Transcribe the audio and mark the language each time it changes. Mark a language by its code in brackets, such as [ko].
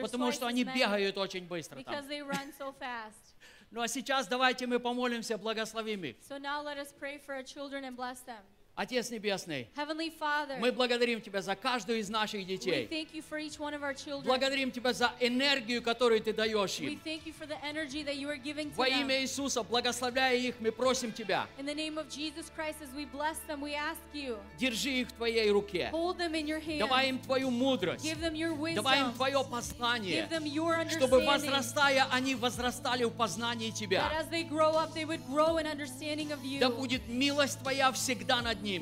[ru] Потому что они бегают очень быстро там. [en] Because they run so fast. [ru] Ну а сейчас давайте мы помолимся, благословим их. [en] So now let us pray for our children and bless them. [ru] Отец Небесный, [en] Heavenly Father, [ru] мы благодарим Тебя за каждую из наших детей. [en] We thank you for each one of our children. [ru] Благодарим Тебя за энергию, которую Ты даешь им. [en] We thank you for the energy that you are giving to them. [ru] Во имя Иисуса, благословляя их, мы просим Тебя. [en] In the name of Jesus Christ, as we bless them, we ask you. [ru] Держи их в Твоей руке. [en] Hold them in your hand. [ru] Давай им Твою мудрость. [en] Give them your wisdom. [ru] Давай им Твое познание. [en] Give them your understanding. [ru] Чтобы возрастая, они возрастали в познании Тебя. [en] That as they grow up, they would grow in understanding of you. [ru] Да будет милость Твоя всегда над ними.